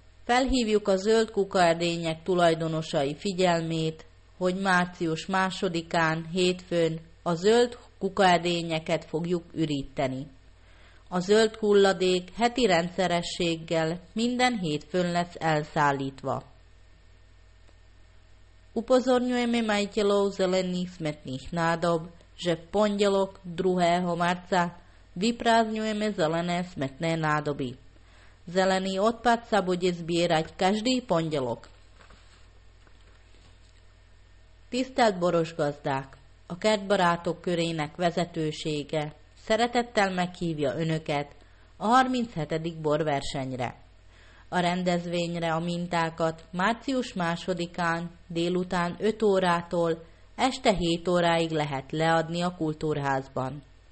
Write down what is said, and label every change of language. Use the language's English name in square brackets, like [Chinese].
[Hungarian] Felhívjuk a zöld kukaedények tulajdonosai figyelmét, hogy március 2-án, hétfőn a zöld kukaedényeket fogjuk üríteni. A zöld hulladék heti rendszerességgel minden hétfőn lesz elszállítva. [Slovak] Upozorňujeme majiteľov zelených smetných nádob, že v pondelok 2. marca vyprázdňujeme zelené smetné nádoby. Zelený odpad sa bude zbierať každý pondelok. [Hungarian] Tisztelt borosgazdák! A Kertbarátok körének vezetősége szeretettel meghívja önöket a 37. borversenyre. A rendezvényre a mintákat március 2-án délután 5 órától este 7 óráig lehet leadni a kultúrházban.